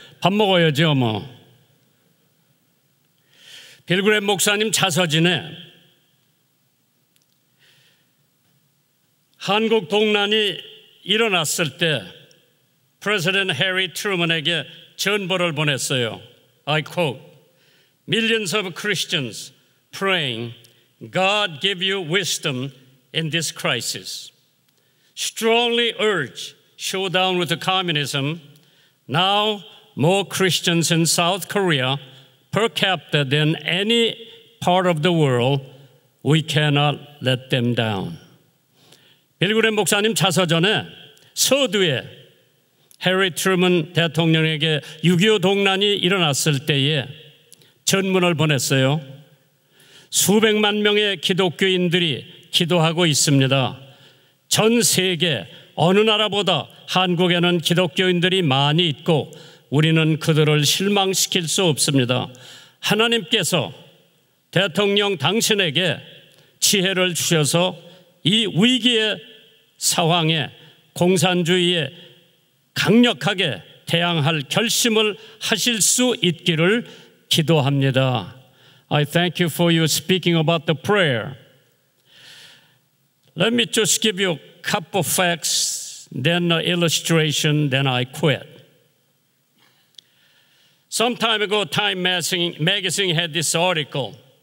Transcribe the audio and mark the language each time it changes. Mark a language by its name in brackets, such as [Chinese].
[Korean] 밥 먹어야죠 뭐. 빌그램 목사님 자서진에 한국 동란이 일어났을 때 프레지던트 해리 트루먼에게 전보를 보냈어요. [English] I quote, Millions of Christians praying, God give you wisdom in this crisis. Strongly urge showdown with communism. Now more Christians in South Korea per capita than any part of the world. We cannot let them down. [Korean] 빌그램 목사님 자서전에 서두에 해리 트루먼 대통령에게 6.25 동란이 일어났을 때에 전문을 보냈어요. 수백만 명의 기독교인들이 기도하고 있습니다. 전 세계 어느 나라보다 한국에는 기독교인들이 많이 있고 우리는 그들을 실망시킬 수 없습니다. 하나님께서 대통령 당신에게 지혜를 주셔서 이 위기의 상황에 공산주의에 강력하게 대항할 결심을 하실 수 있기를 기도합니다. [English] I thank you for you speaking about the prayer. Let me just give you a couple of facts, then an illustration, then I quit. Some time ago, Time Magazine had this article.